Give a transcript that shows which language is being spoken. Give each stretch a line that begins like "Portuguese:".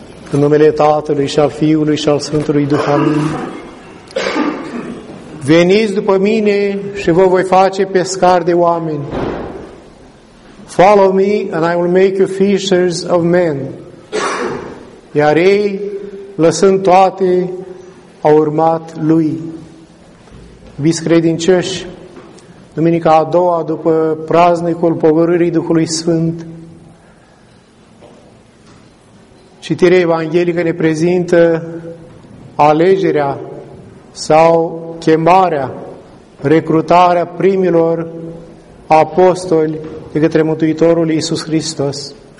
Romanian: În numele Tatălui și al Fiului și al Sfântului Duh. Amin. Veniți după mine și vă voi face pescari de oameni.
English: Follow me and I will make you fishers of men.
Romanian: Iar ei, lăsând toate, au urmat lui. Iubiți credincioși, duminica a doua după praznicul pogorârii Duhului Sfânt, citirea evanghelică ne prezintă alegerea sau chemarea, recrutarea primilor apostoli de către Mântuitorul Iisus Hristos.